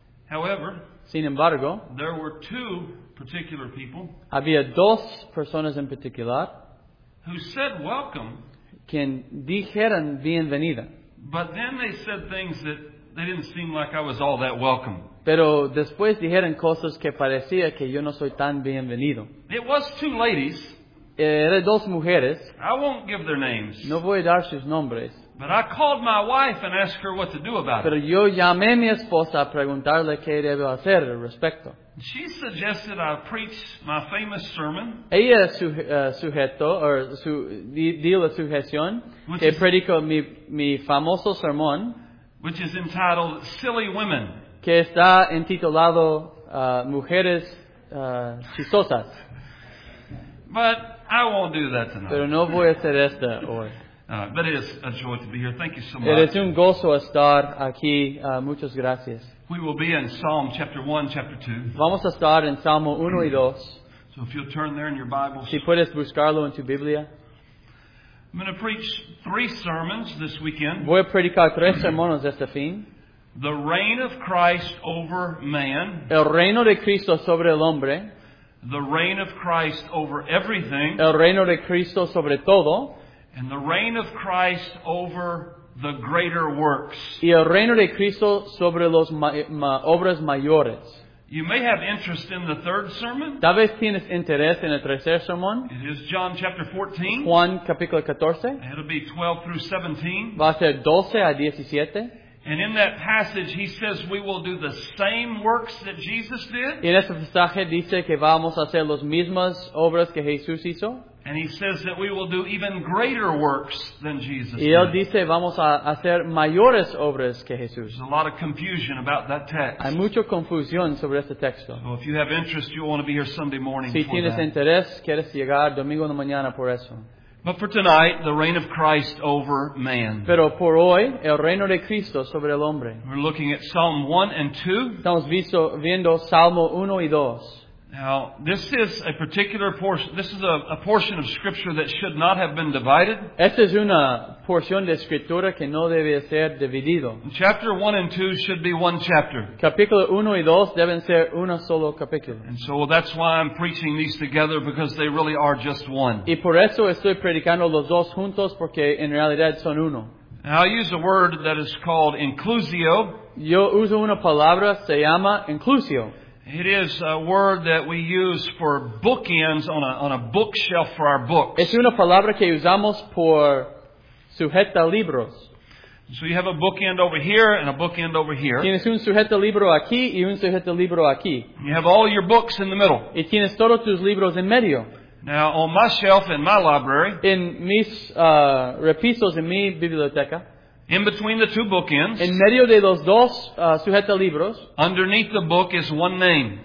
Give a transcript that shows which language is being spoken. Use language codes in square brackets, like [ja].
[en] However, [es] sin embargo, [en] there were two particular people. [es] Había dos personas en particular. [en] Who said welcome? [es] Quien dijeron bienvenida. [en] But then they said things that they didn't seem like I was all that welcome. [es] Pero después dijeron cosas que parecía que yo no soy tan bienvenido. [en] It was two ladies. [es] Era dos mujeres. [en] I won't give their names. [es] No voy a dar sus nombres. [en] But I called my wife and asked her what to do about it. [es] Pero yo llamé a mi esposa a preguntarle qué debo hacer al respecto. [en] She suggested I preach my famous sermon. [es] Ella sujetó or dio la sugestión que predico mi famoso sermón, [en] which is entitled "Silly Women." [es] Que está intitulado Mujeres Chistosas. [en] But I won't do that tonight. [es] Pero no voy a hacer esta hoy. [en] But it is a joy to be here. Thank you so much. It is [es] un gozo estar aquí. Muchas gracias. [en] We will be in Psalm chapter 1, chapter 2. [es] Vamos a estar en Salmo 1 y 2. [en] So if you'll turn there in your Bibles. [es] Si puedes buscarlo en tu Biblia. [en] I'm going to preach three sermons this weekend. [es] Voy a predicar tres sermones este fin. [en] The reign of Christ over man. [es] El reino de Cristo sobre el hombre. [en] The reign of Christ over everything. [es] El reino de Cristo sobre todo. [en] And the reign of Christ over the greater works. [es] Y el reino de Cristo sobre los obras mayores. [en] You may have interest in the third sermon. [es] Tal vez tienes interés en el tercer sermón. [en] It is John chapter 14. [es] Juan capítulo 14. [en] It'll be 12 through 17. [es] Va a ser 12 a 17. [en] And in that passage, he says we will do the same works that Jesus did. [es] En ese pasaje dice que vamos a hacer las mismas obras que Jesús hizo. [en] And he says that we will do even greater works than Jesus [es] did. Y él dice vamos a hacer mayores obras que Jesús. [en] There's a lot of confusion about that text. [es] Hay mucha confusión sobre este texto. [en] So if you have interest, you'll want to be here Sunday morning for that. [es] Si tienes interés, quieres llegar domingo en la mañana por eso. [en] But for tonight, the reign of Christ over man. [es] Pero por hoy, el reino de Cristo sobre el hombre. [en] We're looking at Psalm 1 and 2. [es] Estamos viendo Salmo 1 y 2. [en] Now, this is a particular portion. This is a portion of Scripture that should not have been divided. [es] Esta es una porción de Escritura que no debe ser dividido. [en] Chapter 1 and 2 should be one chapter. [es] Capítulo 1 y 2 deben ser una solo capítulo. [en] And so that's why I'm preaching these together, because they really are just one. [es] Y por eso estoy predicando los dos juntos, porque en realidad son uno. [en] Now, I use a word that is called inclusio. [es] Yo uso una palabra, se llama inclusio. [en] It is a word that we use for bookends on a bookshelf for our books. [es] Es una palabra que usamos por sujeta libros. [en] So you have a bookend over here and a bookend over here. [es] Tienes un sujeta libro aquí y un sujeta libro aquí. [en] You have all your books in the middle. [es] Y tienes todos tus libros en medio. [en] Now, on my shelf in my library. [es] En mis repisos en mi biblioteca. [en] In between the two bookends, [es] en medio de los dos sujeta libros, [en] underneath the book is one name.